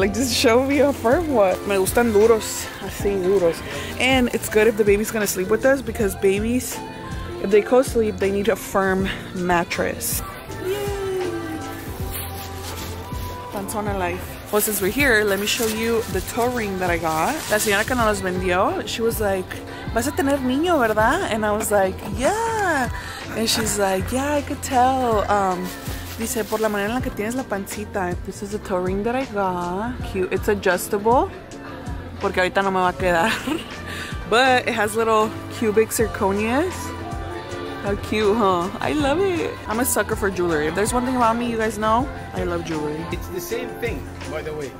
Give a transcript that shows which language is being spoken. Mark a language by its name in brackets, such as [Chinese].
[English] Like, just show me a firm one. [Spanish] Me gustan duros. Así, duros. [English] And it's good if the baby's going to sleep with us, because babies, if they co-sleep, they need a firm mattress. Yay. Pantone life. Well, since we're here, let me show you the toe ring that I got. [Spanish] La señora que nos los vendió, [English] she was like, [Spanish] vas a tener niño, ¿verdad? [English] And I was like, yeah. And she's like, yeah, I could tell. [Spanish] Dice, por la manera en la que tienes la pancita. [English] This is the toe ring that I got. Cute. It's adjustable. [Spanish] Porque ahorita no me va a quedar. [English] But it has little cubic zirconias. How cute, huh? I love it. I'm a sucker for jewelry. If there's one thing about me, you guys know, I love jewelry. It's the same thing, by the way.